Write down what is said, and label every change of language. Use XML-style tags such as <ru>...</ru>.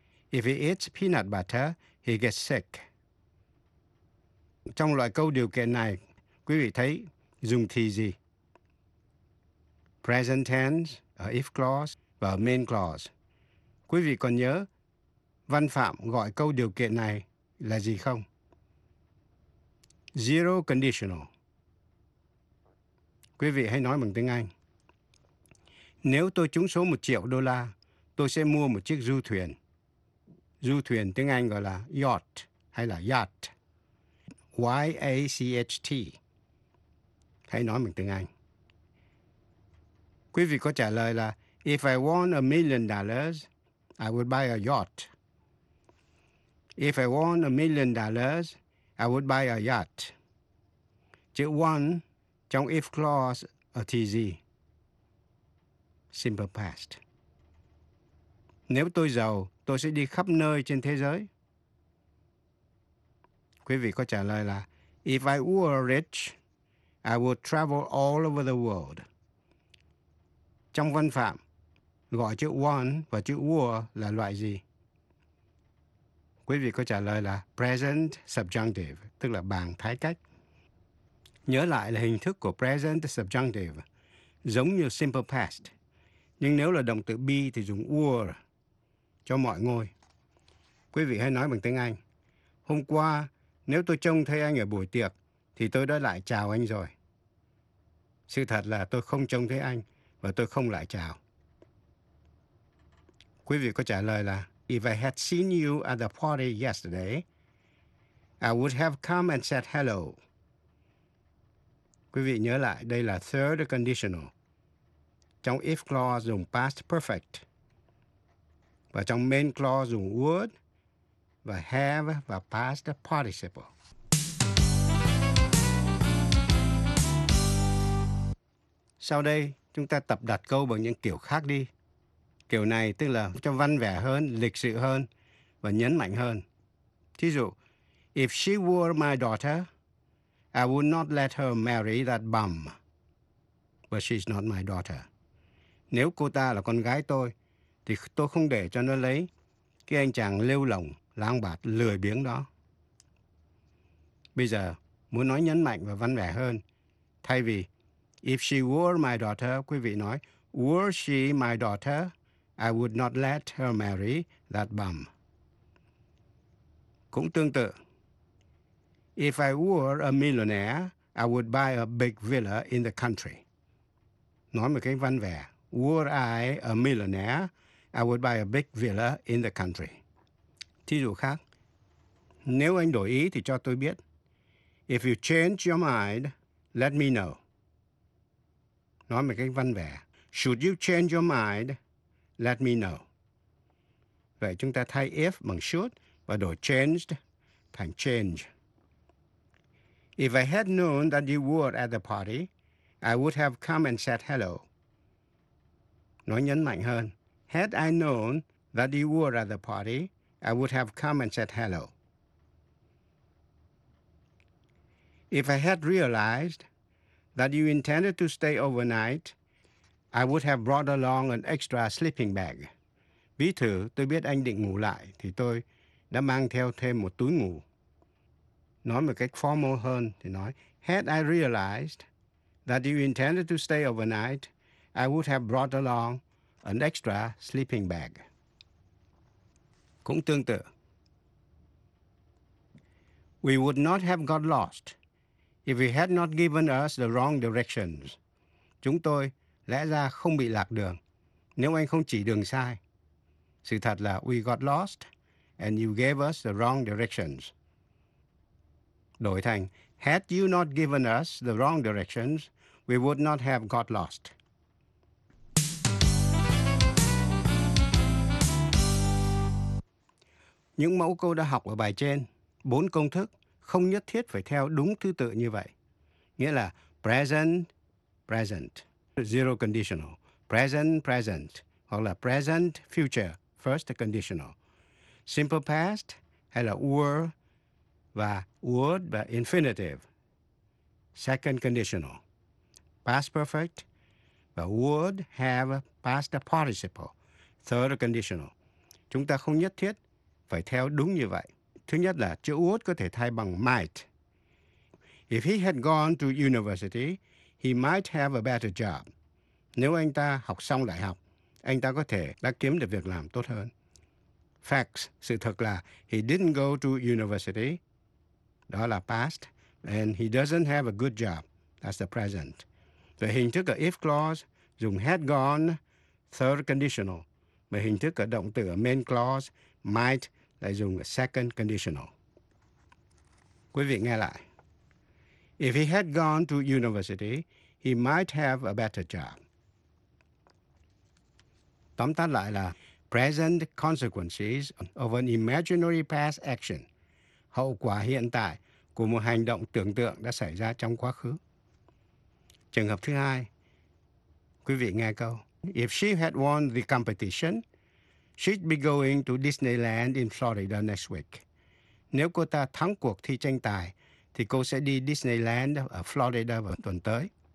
<en>If he eats peanut butter, he gets sick.</en> <vi>Trong loại câu điều kiện này, quý vị thấy dùng thì gì?</vi> <en>Present tense, a if clause</en> <vi>và</vi> <en>a main clause.</en> <vi>Quý vị còn nhớ Văn Phạm gọi câu điều kiện này là gì không?</vi> <en>Zero conditional.</en> <vi>Quý vị hãy nói bằng tiếng Anh. Nếu tôi trúng số 1 triệu đô la, tôi sẽ mua một chiếc du thuyền. Du thuyền tiếng Anh gọi là yacht hay là yacht. Y-A-C-H-T. Hãy nói bằng tiếng Anh. Quý vị có trả lời là</vi> <en>if I won $1 million, I would buy a yacht. If I won $1 million, I would buy a yacht.</en> <vi>Chữ won trong if clause ở thì gì?</vi> <en>Simple past.</en> <vi>Nếu tôi giàu, tôi sẽ đi khắp nơi trên thế giới. Quý vị có trả lời là</vi> <en>if I were rich, I would travel all over the world.</en> <vi>Trong Văn Phạm, gọi chữ want và chữ were là loại gì? Quý vị có trả lời là</vi> <en>present subjunctive,</en> <vi>tức là bằng thái cách. Nhớ lại là hình thức của present subjunctive giống như simple past. Nhưng nếu là động từ be thì dùng were cho mọi ngôi. Quý vị hãy nói bằng tiếng Anh. Hôm qua, nếu tôi trông thấy anh ở buổi tiệc, thì tôi đã lại chào anh rồi. Sự thật là tôi không trông thấy anh và tôi không lại chào. Quý vị có trả lời là</vi> <en>if I had seen you at the party yesterday, I would have come and said hello.</en> <vi>Quý vị nhớ lại, đây là</vi> <en>third conditional.</en> <vi>Trong if clause dùng past perfect. Và trong main clause dùng would và have và past participle. Sau đây, chúng ta tập đặt câu bằng những kiểu khác đi. Kiểu này tức là cho văn vẻ hơn, lịch sự hơn và nhấn mạnh hơn.</vi> <en>Thí dụ, if she were my daughter, I would not let her marry that bum. But she's not my daughter.</en> <vi>Nếu cô ta là con gái tôi, thì tôi không để cho nó lấy cái anh chàng lêu lổng, lang bạt, lười biếng đó. Bây giờ, muốn nói nhấn mạnh và văn vẻ hơn, thay vì</vi> <en>if she were my daughter,</en> <vi>quý vị nói,</vi> <en>were she my daughter, I would not let her marry that bum.</en> <vi>Cũng tương tự.</vi> <en>If I were a millionaire, I would buy a big villa in the country.</en> <vi>Nói một cái văn vẻ.</vi> <en>Were I a millionaire, I would buy a big villa in the country.</en> <vi>Thí dụ khác. Nếu anh đổi ý thì cho tôi biết.</vi> <en>If you change your mind, let me know.</en> <vi>Nói một cái văn vẻ.</vi> <en>Should you change your mind, let me know.</en> <vi>Vậy chúng ta thay if bằng should và đổi changed thành change.</vi> <en>If I had known that you were at the party, I would have come and said hello.</en> <vi>Nó nhấn mạnh hơn.</vi> <en>Had I known that you were at the party, I would have come and said hello. If I had realized that you intended to stay overnight, I would have brought along an extra sleeping bag.</en> <vi>Ví thử, tôi biết anh định ngủ lại, thì tôi đã mang theo thêm một túi ngủ. Nói một cách</vi> <en>formal hơn,</en> <vi>thì nói,</vi> <en>had I realized that you intended to stay overnight, I would have brought along an extra sleeping bag.</en> <vi>Cũng tương tự.</vi> <en>We would not have got lost if you had not given us the wrong directions.</en> <vi>Chúng tôi lẽ ra không bị lạc đường nếu anh không chỉ đường sai. Sự thật là</vi> <en>we got lost and you gave us the wrong directions.</en> <vi>Đổi thành,</vi> <en>had you not given us the wrong directions, we would not have got lost.</en> <vi>Những mẫu câu đã học ở bài trên, bốn công thức không nhất thiết phải theo đúng thứ tự như vậy.</vi> <en>Nghĩa là present, present, zero conditional, present, present, hoặc là present, future, first conditional, simple past, hay là were, và would, và infinitive, second conditional, past perfect, và would have past participle, third conditional.</en> <vi>Chúng ta không nhất thiết phải theo đúng như vậy. Thứ nhất là chữ would có thể thay bằng might.</vi> <en>If he had gone to university, he might have a better job.</en> <vi>Nếu anh ta học xong đại học, anh ta có thể đã kiếm được việc làm tốt hơn.</vi> <en>Facts,</en> <vi>sự thật là</vi> <en>he didn't go to university.</en> <vi>Đó là past.</vi> <en>And he doesn't have a good job. That's the present.</en> <vi>Về hình thức ở if clause, dùng had gone,</vi> <en>third conditional.</en> <vi>Về hình thức ở động từ ở main clause, might, lại dùng a second conditional. Quý vị nghe lại.</vi> <en>If he had gone to university, he might have a better job.</en> <vi>Tóm tắt lại là</vi> <en>present consequences of an imaginary past action.</en> <vi>Hậu quả hiện tại của một hành động tưởng tượng đã xảy ra trong quá khứ. Trường hợp thứ hai. Quý vị nghe câu.</vi> <en>If she had won the competition, she'd be going to Disneyland in Florida next week.</en> <vi>Nếu cô ta thắng cuộc thi tranh tài, thì cô sẽ đi Disneyland ở Florida vào tuần tới.</vi>